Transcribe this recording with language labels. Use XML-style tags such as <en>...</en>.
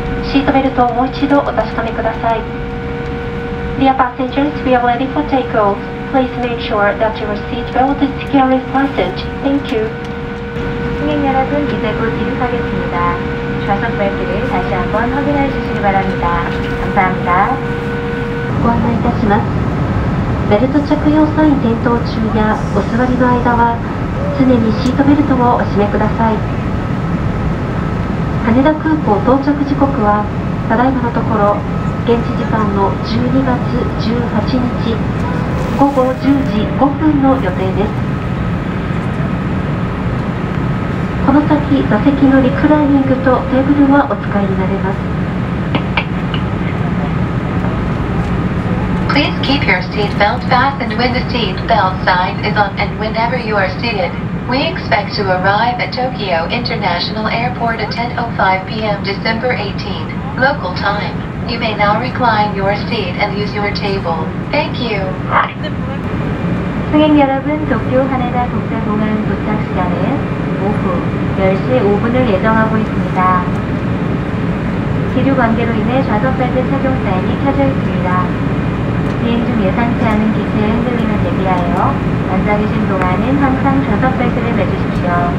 <ja>シートベルトをもう一度お確かめください。</ja> <en>Dear passengers, we are ready for takeoff. Please make sure that your seat belt is securely fastened. Thank you.</en> <ko>승객 여러분, 이제 곧 비상하겠습니다. 좌석 벨트를 다시 한번 확인해 주시기 바랍니다. 감사합니다.</ko> <ja>ご案内いたします。ベルト着用サイン点灯中やお座りの間は常にシートベルトをお締めください。羽田空港到着時刻はただいまのところ現地時間の12月18日午後10時5分の予定です。この先座席のリクライニングとテーブルはお使いになれます。</ja> <en>Please keep your seat belt fastened when the seat belt sign is on and whenever you are seated. We expect to arrive at Tokyo International Airport at 10:05 p.m. December 18, local time. You may now recline your seat and use your table. Thank you.</en> <ko>승객 여러분, 도쿄 하네다 국제공항 도착 시간은 오후 10시 5분을 예정하고 있습니다. 기류 관계로 인해 좌석 벨트 착용 사인이 켜져 있습니다. 비행 중 예상치 않은 기체 흔들림을 대비하여 앉아계신 동안은 항상 좌석 벨트를 매주십시오.</ko>